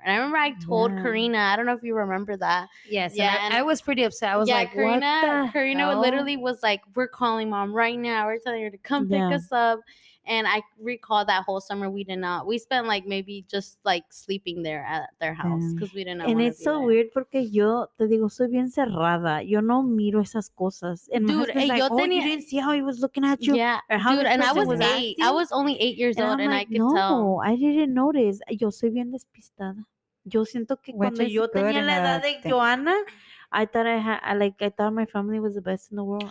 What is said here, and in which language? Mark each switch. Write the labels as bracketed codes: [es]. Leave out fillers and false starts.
[en] And I remember I told yeah. Karina, I don't know if you remember that. Yes. Yeah. And I was pretty upset. I was yeah, like, Karina, what the Karina hell? Literally was like, we're calling mom right now. We're telling her to come yeah. pick us up. And I recall that whole summer we did not. We spent like maybe just like sleeping there at their house because we didn't know. And it's so there. [es] Weird porque yo te digo soy bien cerrada. Yo no miro esas cosas. [en] And dude, my husband's like, you didn't see how he was looking at you. Yeah. Or how dude, and I was only eight years old, and I could tell. No, I didn't notice. [es] Yo soy bien despistada. Yo siento que [en] which [es] cuando yo tenía la edad de Joanna, [en] I thought my family was the best in the world.